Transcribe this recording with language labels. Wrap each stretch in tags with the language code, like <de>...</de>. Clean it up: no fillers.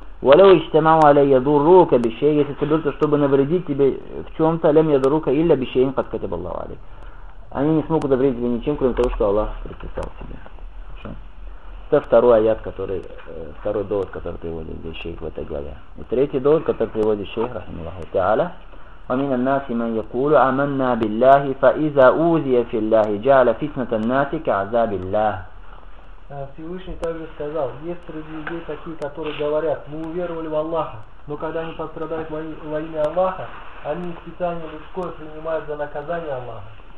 <ar>Валяу иштимау алейя дур рука бишей,</ar> <ru>если соберутся, чтобы навредить тебе в чем-то,</ru> <ar>лем я дурука илля бишейн каткатиб Аллаху алейк.</ar> <ru>Они не смогут навредить тебе ничем, кроме того, что Аллах предписал тебе. Это второй аят, который, второй довод, который приводит здесь шейх в этой главе. И третий довод, который приводит шейх, рахима Аллаху та'аля.</ru> <ar>ومن الناس من يقول آمنا بالله فإذا أوذي في الله جعل فتنة الناس كعذاب الله.</ar> <ru>Всевышний также сказал, есть среди людей такие, которые говорят, мы уверовали в Аллаха, но когда они пострадают во имя Аллаха, они специально людское принимают за наказание Аллаха.</ru>